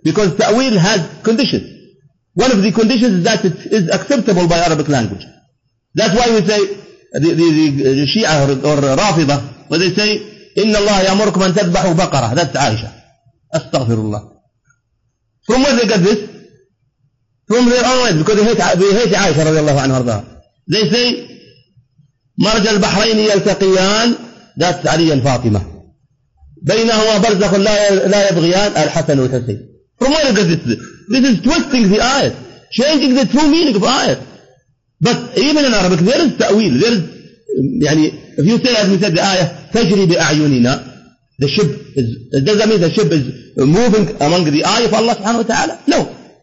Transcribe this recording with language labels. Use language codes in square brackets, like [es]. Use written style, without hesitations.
[en] Because ta'wil has conditions. One of the conditions is that it is acceptable by Arabic language. That's why we say the Shia or Rafida, when they say, [ar] Inna Allah yamurkum an tadbahu baqara. [en] That's Aisha. Astaghfirullah. From where they get this? From their own way, because they hate Aisha radiallahu anha. They say, [ar] مرج البحرين يلتقيان ذات علي الفاطمة بينهما برزخ لا يبغيان الحسن والحسين. [en] From where does this? This is twisting the ayat, changing the true meaning of ayat. But even in Arabic there is ta'wil. There is, if you say, as we said, the ayah [ar] تجري بأعيننا, [en] the ship is, it doesn't mean the ship is moving among the ayah of Allah subhanahu wa ta'ala. No.